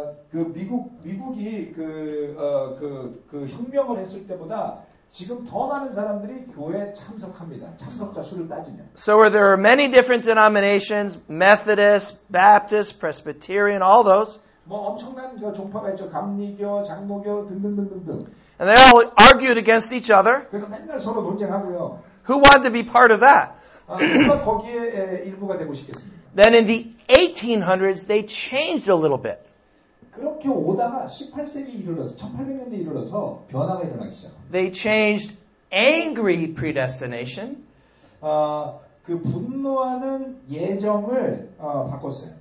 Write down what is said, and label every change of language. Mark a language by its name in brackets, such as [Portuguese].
[Korean] 그 미국이 그 혁명을 했을 때보다 지금 더 많은 사람들이 교회에 참석합니다. 참석자 수를 따지면. [English] So there are many different denominations, Methodist, Baptist, Presbyterian, all those. [Korean] 뭐 엄청난 그 종파가 있죠. 감리교, 장로교 등등등등등. [English] And they all argued against each other. [Korean] 그래서 맨날 서로 논쟁하고요. [English] Who wanted to be part of that? [Korean] 누가 거기에 일부가 되고 싶겠습니까? [English] Then in the 1800s, they changed a little bit. [Korean] 그렇게 오다가 18세기 이르러서, 1800년대 이르러서 변화가 일어나기 시작합니다. [English] They changed angry predestination. [Korean] 그 분노하는 예정을 바꿨어요.